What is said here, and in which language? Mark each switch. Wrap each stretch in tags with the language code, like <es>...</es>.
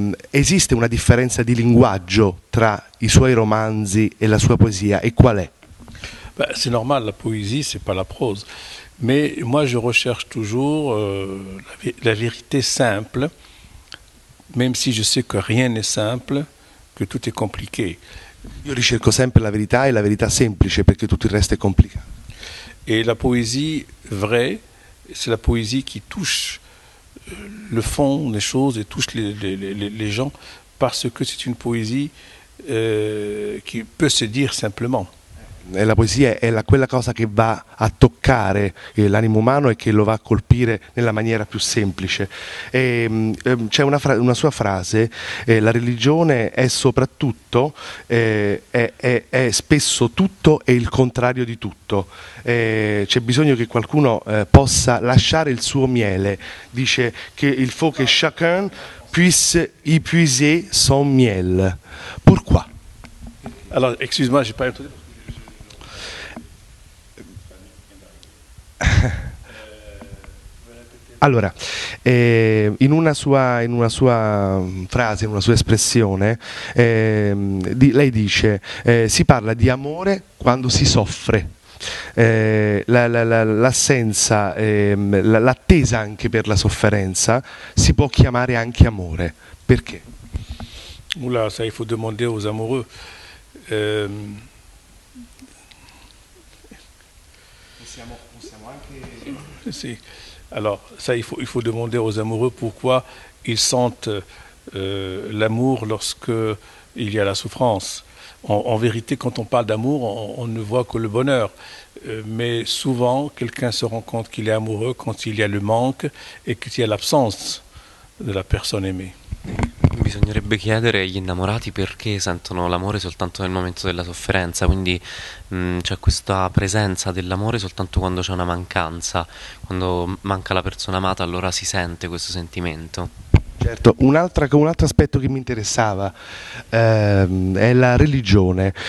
<it>Esiste una differenza di linguaggio tra i suoi romanzi e la sua poesia, e qual è?</it> <fr>C'est normal, la poésie, c'est pas la prose. Mais moi, je recherche toujours la vérité simple, même si je sais que rien n'est simple, que tout est compliqué.</fr> <it>Io ricerco sempre la verità e la verità semplice, perché tutto il resto è complicato.</it> <fr>Et la poésie vraie, c'est la poésie qui touche le fond des choses et touche les gens, parce que c'est une poésie qui peut se dire simplement. Et la poésie est</fr> <it>quella cosa che va a toccare l'animo umano e che lo va a colpire nella maniera più semplice. C'è una sua frase: la religione è soprattutto, è spesso tutto e il contrario di tutto. C'è bisogno che qualcuno possa lasciare il suo miele. Dice che</it> <fr>il faut que chacun puisse y puiser son miel. Pourquoi? Alors, excuse-moi, j'ai pas entendu.</fr> <it>Allora, in una sua frase, in una sua espressione, lei dice, si parla di amore quando si soffre. L'assenza, l'attesa anche per la sofferenza si può chiamare anche amore. Perché?</it> <fr>Oula, ça il faut demander aux amoureux.</fr> <it>Possiamo anche... Sì.</it> <fr>Alors, ça, il faut demander aux amoureux pourquoi ils sentent l'amour lorsqu'il y a la souffrance. En vérité, quand on parle d'amour, on ne voit que le bonheur. Mais souvent, quelqu'un se rend compte qu'il est amoureux quand il y a le manque et qu'il y a l'absence de la personne aimée.</fr> <it>Bisognerebbe chiedere agli innamorati perché sentono l'amore soltanto nel momento della sofferenza, quindi c'è questa presenza dell'amore soltanto quando c'è una mancanza, quando manca la persona amata, allora si sente questo sentimento. Certo, un altro aspetto che mi interessava è la religione.</it>